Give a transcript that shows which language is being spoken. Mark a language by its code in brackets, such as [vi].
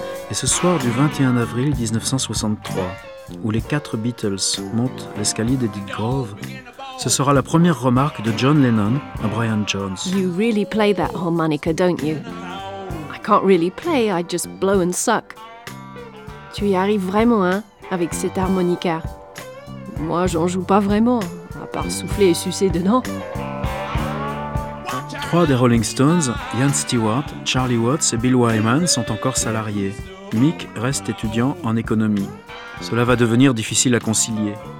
[fr] Et ce soir du 21 avril 1963, où les quatre Beatles montent l'escalier d'Edith Grove, ce sera la première remarque de John Lennon à Brian Jones. [en] You really play that harmonica, don't you? I can't really play, I just blow and suck. [fr] Tu y arrives vraiment, hein, avec cette harmonica? Moi, j'en joue pas vraiment, à part souffler et sucer dedans. Trois des Rolling Stones, Ian Stewart, Charlie Watts et Bill Wyman, sont encore salariés. Mick reste étudiant en économie. Cela va devenir difficile à concilier.